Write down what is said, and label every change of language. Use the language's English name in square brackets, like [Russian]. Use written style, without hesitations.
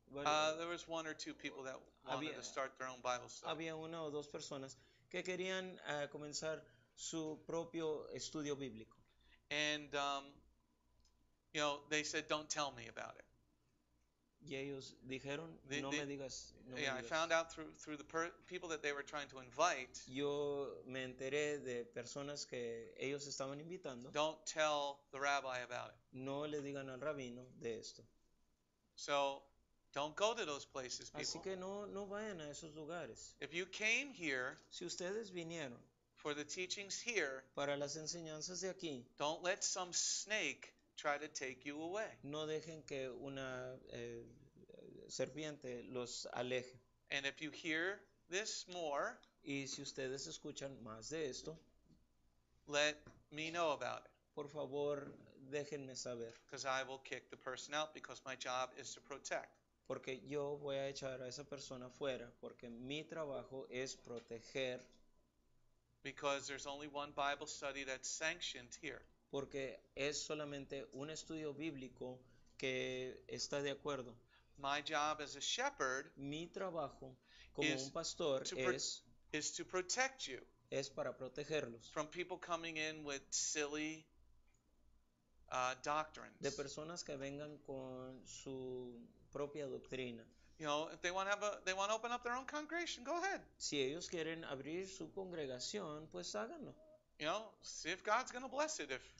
[English] There was one or two people that wanted to start their own Bible study. [Spanish] Había una o dos personas que querían comenzar su propio estudio bíblico. [English] And, you know, they said, don't tell me about it. [Spanish] Y ellos dijeron, no me digas. No [English] yeah, [Spanish] me digas. [English] I found out through the people that they were trying to invite. [Spanish] Yo me enteré de personas que ellos estaban invitando. [English] Don't tell the rabbi about it. [Spanish] No le digan al rabino de esto. [English] So, don't go to those places, people. [Spanish] Así que no vayan a esos lugares. [English] If you came here, [Spanish] si ustedes vinieron, [English] for the teachings here, [Spanish] para las enseñanzas de aquí, [English] don't let some snake try to take you away. [Spanish] No dejen que una serpiente los aleje. [English] And if you hear this more, [Spanish] y si ustedes escuchan más de esto, [English] let me know about it. [Spanish] Por favor, déjenme saber. [English] Because I will kick the person out because my job is to protect. [Spanish] Porque yo voy a echar a esa persona fuera porque mi trabajo es proteger. [English] Because there's only one Bible study that's sanctioned here. [Spanish] Porque es solamente un estudio bíblico que está de acuerdo. [English] My job as a shepherd, [Spanish] mi trabajo como un pastor [English] is to protect you, [Spanish] es para protegerlos [English] from people coming in with silly doctrines, [Spanish] de personas que vengan con su propia doctrina. [English] You know, if they want to open up their own congregation, go ahead. [Spanish] Si ellos quieren abrir su congregación, pues háganlo. [English] You know, see if God's going to bless it. If